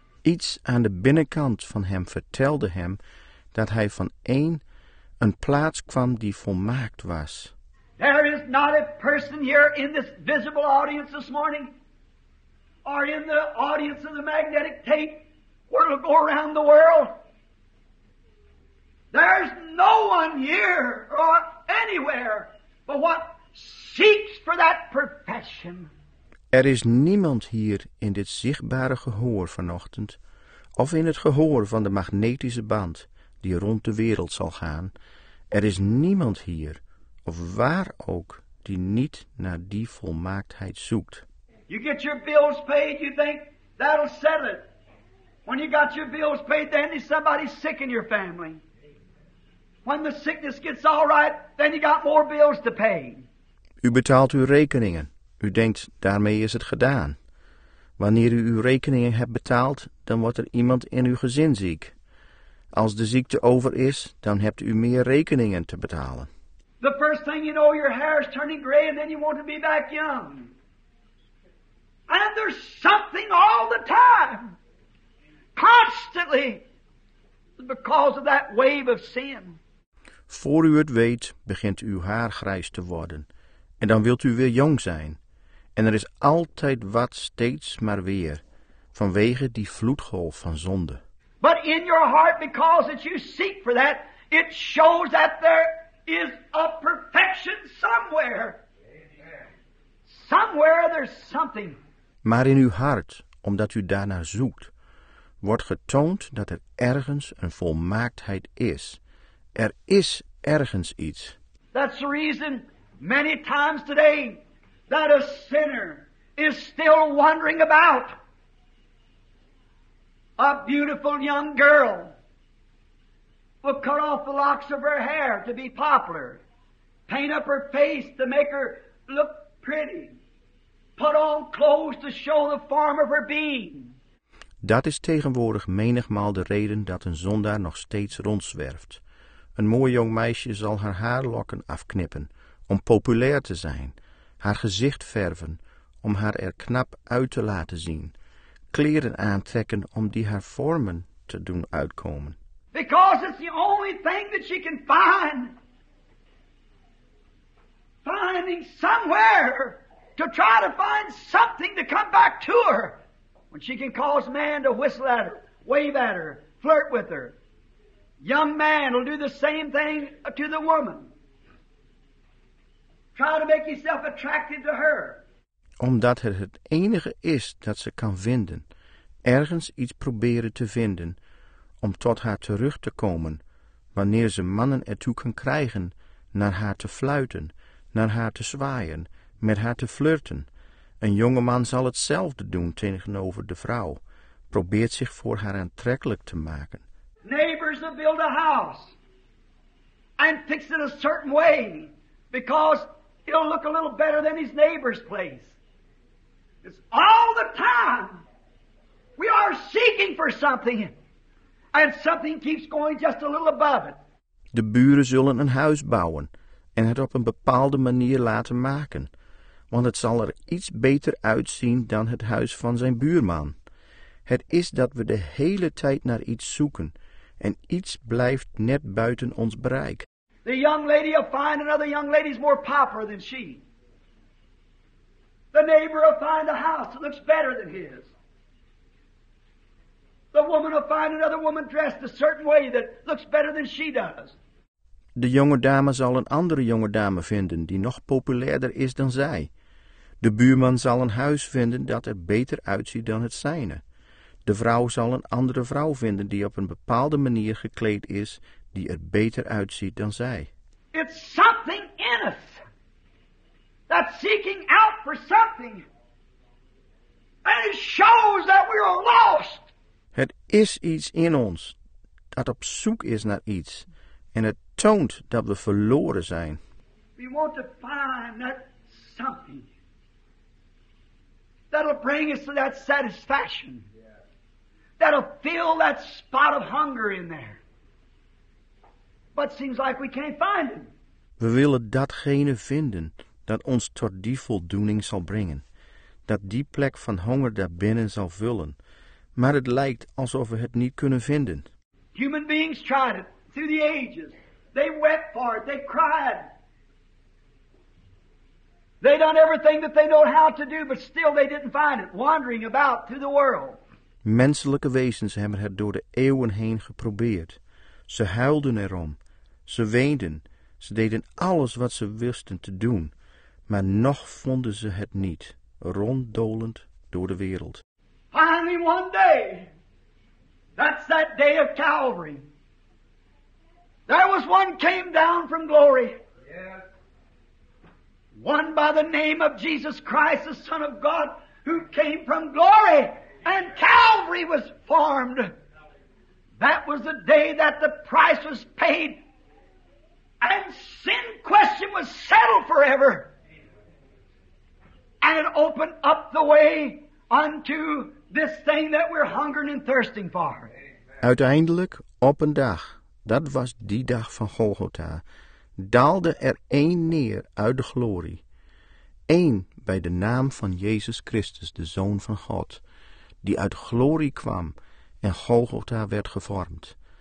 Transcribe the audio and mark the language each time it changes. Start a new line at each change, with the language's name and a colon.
Dutch: Iets aan de binnenkant van hem vertelde hem dat hij van een plaats kwam die volmaakt was.
English: There is not a person here in this visible audience this morning, or in the audience of the magnetic tape, where it'll go around the world. There's no one here or anywhere but what seeks for that perfection.
Dutch: Er is niemand hier in dit zichtbare gehoor vanochtend, of in het gehoor van de magnetische band die rond de wereld zal gaan. Er is niemand hier, of waar ook, die niet naar die volmaaktheid zoekt.
English: You get your bills paid, you think that'll settle it. When you got your bills paid, then is somebody sick in your family. When the sickness gets all right, then you got more bills to pay.
Dutch: U betaalt uw rekeningen. U denkt, daarmee is het gedaan. Wanneer u uw rekeningen hebt betaald, dan wordt er iemand in uw gezin ziek. Als de ziekte over is, dan hebt u meer rekeningen te betalen.
English: The first thing you know, your hair is turning gray and then you want to be back young. And there's something all the time, constantly, because of that wave of sin.
Dutch: Voor u het weet, begint uw haar grijs te worden. En dan wilt u weer jong zijn. En er is altijd wat, steeds maar weer, vanwege die vloedgolf van zonde.
English: But in your heart, because that you seek for that, it shows that there is a perfection somewhere. Somewhere there's something.
Dutch: Maar in uw hart, omdat u daarnaar zoekt, wordt getoond dat er ergens een volmaaktheid is. Er is ergens iets.
English: That's the reason many times today that a sinner is still wandering about. A beautiful young girl will cut off the locks of her hair to be popular, paint up her face to make her look pretty, put on clothes to show the form of her being.
Dutch: Dat is tegenwoordig menigmaal de reden dat een zondaar nog steeds rondzwerft. Een mooi jong meisje zal haar haarlokken afknippen om populair te zijn, haar gezicht verven om haar er knap uit te laten zien, kleren aantrekken om die haar vormen te doen uitkomen.
English: Because it's the only thing that she can find. Finding somewhere to try to find something to come back to her. When she can cause man to whistle at her, wave at her, flirt with her. Young man will do the same thing to the woman. Try to make yourself attracted to her.
Dutch: Omdat het het enige is dat ze kan vinden. Ergens iets proberen te vinden om tot haar terug te komen. Wanneer ze mannen ertoe kan krijgen naar haar te fluiten, naar haar te zwaaien, met haar te flirten. Een jonge man zal hetzelfde doen tegenover de vrouw. Probeert zich voor haar aantrekkelijk te maken.
English: Neighbors will build a house and fix it a certain way because it'll look a little better than his neighbor's place. It's all the time we are seeking for something and something keeps going just a little above it.
Dutch: De buren zullen een huis bouwen en het op een bepaalde manier laten maken, want het zal er iets beter uitzien dan het huis van zijn buurman. Het is dat we de hele tijd naar iets zoeken en iets blijft net buiten ons bereik.
English: The young lady will find another young lady's more popular than she. The neighbor will find a house that looks better than his. The woman will find another woman dressed a certain way that looks better than she does.
Dutch: De jonge dame zal een andere jonge dame vinden die nog populairder is dan zij. De buurman zal een huis vinden dat er beter uitziet dan het zijne. De vrouw zal een andere vrouw vinden die op een bepaalde manier gekleed is die er beter uitziet dan zij.
English: It's something in us. that's seeking out for something. And it shows that we are lost.
Dutch: Het is iets in ons dat op zoek is naar iets. En het toont dat we verloren zijn.
English: We want to find that something that'll bring us to that satisfaction. That'll fill that spot of hunger in there. But it seems like we can't find it.
Dutch: We willen datgene vinden dat ons tot die voldoening zal brengen. Dat die plek van honger daarbinnen zal vullen. Maar het lijkt alsof we het niet kunnen vinden.
English: Human beings tried it through the ages. They wept for it. They cried. They done everything that they know how to do, but still they didn't find it. Wandering about through the world.
Dutch: Menselijke wezens hebben het door de eeuwen heen geprobeerd. Ze huilden erom. Ze weenden. Ze deden alles wat ze wisten te doen. Maar nog vonden ze het niet. Ronddolend door de wereld.
English: Finally one day. That's that day of Calvary. There was one came down from glory. Yeah. One by the name of Jesus Christ, the Son of God, who came from glory. And Calvary was formed. That was the day that the price was paid. And sin question was settled forever. And it opened up the way unto this thing that we're hungering and thirsting for.
Dutch: Uiteindelijk, op een dag, dat was die dag van Golgotha, daalde er één neer uit de glorie. Eén bij de naam van Jezus Christus, de Zoon van God, die uit glorie kwam en Golgotha werd gevormd.